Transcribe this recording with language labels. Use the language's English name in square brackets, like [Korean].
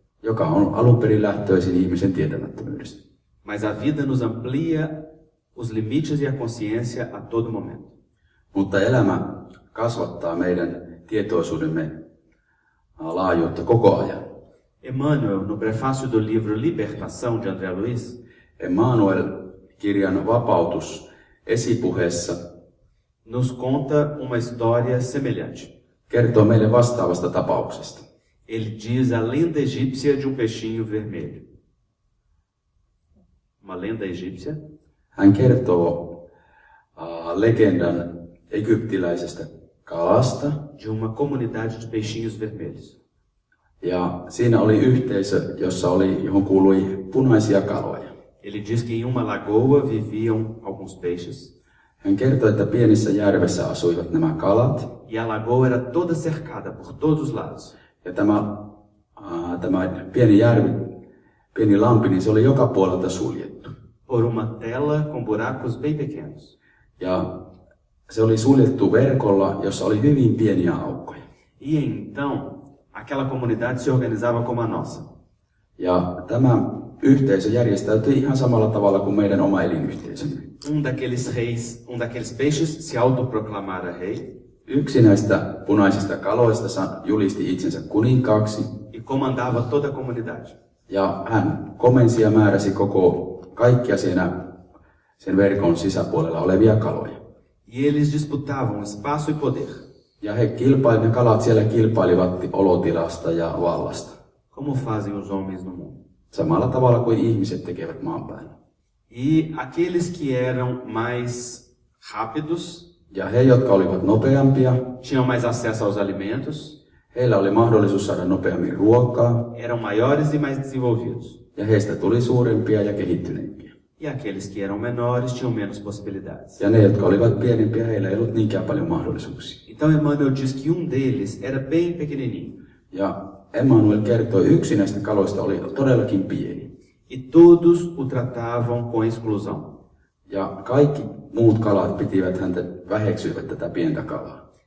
[Finnish] Joka on alun perin lähtöisin ihmisen tietämättömyydestä. [Portuguese] Mas a vida nos amplia os limites e a consciência a todo momento. [Finnish] Mutta elämä kasvattaa meidän tietoisuudemme laajuutta koko ajan. [Portuguese] Emmanuel, no prefácio do livro Libertação de André Luiz, [Finnish] Emmanuel kirjan Vapautus esipuheessa [Portuguese] nos conta uma história semelhante. [Finnish] Kertoo meille vastaavasta tapauksesta. [Portuguese] Ele diz a lenda egípcia de peixinho vermelho. Uma lenda egípcia. [Finnish] Hän kertoo legendan egyptiläisestä kalasta. [Portuguese] De uma comunidade de peixinhos vermelhos. [Finnish] Ja siinä oli yhteisö, jossa oli, johon kuului punaisia kaloja. [Portuguese] Ele diz que em uma lagoa viviam alguns peixes. [Finnish] Hän kertoi, että pienessä järvessä asuivat nämä kalat. [Portuguese] E a lagoa era toda cercada por todos os lados. [Finnish] Ja tämä pieni järvi, pieni lampi, niin se oli joka puolelta suljettu. [Portuguese] Por uma tela com buracos bem pequenos. [Finnish] Ja se oli suljettu verkolla, jossa oli hyvin pieniä aukkoja. [Portuguese] E então, aquela comunidade se organizava como a nossa. [Finnish] Ja tämä yhteisö järjestäytyi ihan samalla tavalla kuin meidän oma elinyhteisömme. [Portuguese] Um daqueles peixes se autoproclamara rei. [Finnish] Yksi näistä punaisista kaloista julisti itsensä kuninkaaksi. [Portuguese] E comandava toda a comunidade. [Finnish] Ja hän komensi ja määräsi koko kaikkia siinä, sen verkon sisäpuolella olevia kaloja. [Portuguese] E eles disputavam espaço e poder. [Finnish] Ja ne kalat siellä kilpailivat olotilasta ja vallasta. [Portuguese] Como fazem os homens no mundo? [Finnish] Samalla tavalla kuin ihmiset tekevät maan päällä. [Portuguese] E aqueles que eram mais rápidos. [Finnish] Ja he, jotka olivat nopeampia. [Portuguese] Tinham mais acesso aos alimentos. [Finnish] Heillä oli mahdollisuus saada nopeammin ruokaa. [Portuguese] Eram maiores e mais desenvolvidos. [Finnish] Ja heistä tuli suurempia ja kehittyneempiä. [Portuguese] E aqueles que eram menores tinham menos possibilidades. [Finnish] Ja ne, jotka olivat pienempiä, heillä ei ollut niinkään paljon mahdollisuuksia. [Portuguese] Então Emmanuel diz que deles era bem pequenininho. [Finnish] Ja Emmanuel kertoi, yksi näistä kaloista oli todellakin pieni. [Portuguese] E todos o tratavam com exclusão. [Finnish] Ja kaikki muut kalat pitivät häntä väheksyvät tätä pientä kalaa.